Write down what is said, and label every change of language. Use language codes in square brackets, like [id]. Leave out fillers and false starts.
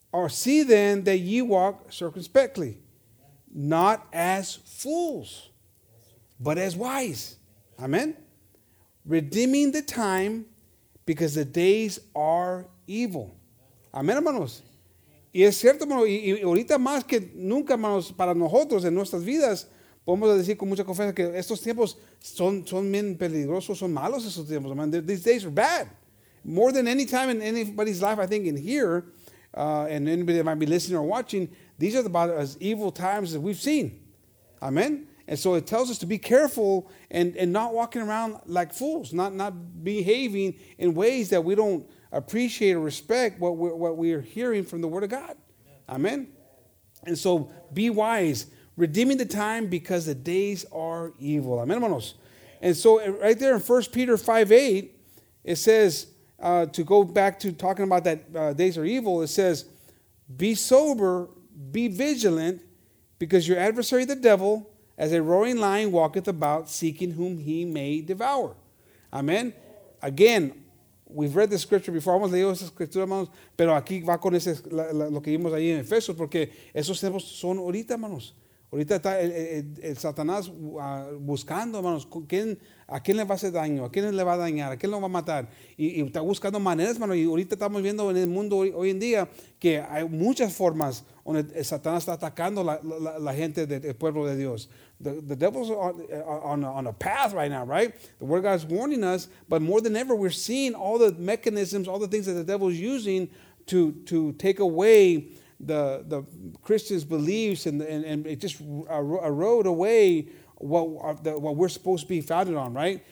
[en] See then that ye walk circumspectly, not as fools, but as wise. Amen. Redeeming the time because the days are evil. Amén, hermanos. [es] Y es cierto, hermanos, y ahorita más que nunca, hermanos, para nosotros en nuestras vidas, podemos decir con mucha confianza que estos tiempos son bien peligrosos, son malos esos tiempos, man. [en] These days are bad. More than any time in anybody's life, I think, in here, and anybody that might be listening or watching, these are about as evil times as we've seen. Amen? And so it tells us to be careful and not walking around like fools, not behaving in ways that we don't appreciate or respect what we're hearing from the Word of God. Amen? And so be wise, redeeming the time because the days are evil. Amen, hermanos? And so right there in 1 Peter 5:8, it says, to go back to talking about that days are evil, it says, be sober, be vigilant, because your adversary, the devil, as a roaring lion, walketh about seeking whom he may devour. Amen? Again, we've read the scripture before. [es] Hemos leído esa escritura, hermanos. Pero aquí va con ese, lo que vimos ahí en Efesios, porque esos tiempos son ahorita, hermanos. Ahorita está el Satanás buscando, hermanos, ¿a quién le va a hacer daño? ¿A quién le va a dañar? ¿A quién lo va a matar? Y está buscando maneras, hermanos. Y ahorita estamos viendo en el mundo hoy en día que hay muchas formas donde el Satanás está atacando la gente del pueblo de Dios. [en] The devil's on a path right now, right? The Word of God is warning us, but more than ever, we're seeing all the mechanisms, all the things that the devil's using to take away the Christians' beliefs and it just erode away what we're supposed to be founded on, right?